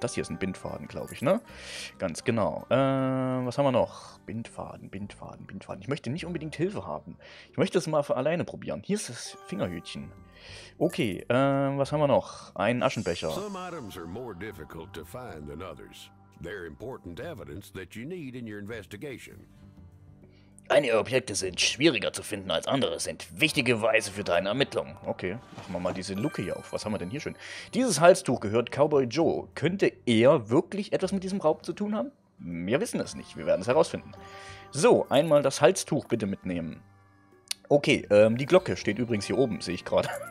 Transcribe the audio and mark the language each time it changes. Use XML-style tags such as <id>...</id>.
<de>Das hier ist ein Bindfaden, glaube ich, ne? Ganz genau. Was haben wir noch? Bindfaden. Ich möchte nicht unbedingt Hilfe haben. Ich möchte es mal für alleine probieren. Hier ist das Fingerhütchen. Okay, was haben wir noch? Einen Aschenbecher.</de> <en>Some items are more difficult to find than others. They're important evidence that you need in your investigation.</en> <de>Einige Objekte sind schwieriger zu finden als andere, sind wichtige Beweise für deine Ermittlungen. Okay, machen wir mal diese Luke hier auf. Was haben wir denn hier schon? Dieses Halstuch gehört Cowboy Joe. Könnte er wirklich etwas mit diesem Raub zu tun haben? Wir wissen es nicht, wir werden es herausfinden. So, einmal das Halstuch bitte mitnehmen. Okay, die Glocke steht übrigens hier oben, sehe ich gerade.</de>